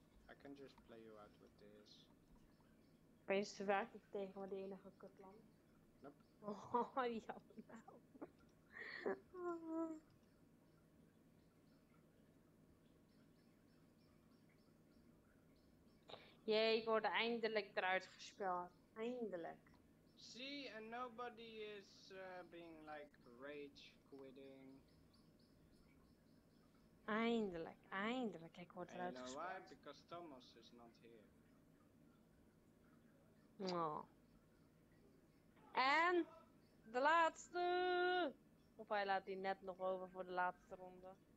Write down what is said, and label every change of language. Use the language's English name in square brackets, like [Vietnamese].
[English] I can just play you out with this. [Dutch] Ben je werkelijk tegen de enige kutland? [English] Nope. [Dutch] Oh, jammer. Jee, ik word eindelijk eruit gespeeld. Eindelijk. [English] See, and nobody is being like rage quitting. [Dutch] Eindelijk, eindelijk, ik word eruit gespeeld. [English] Why? Because Thomas is not here. [Dutch] Oh. En de laatste! Of hij laat die net nog over voor de laatste ronde.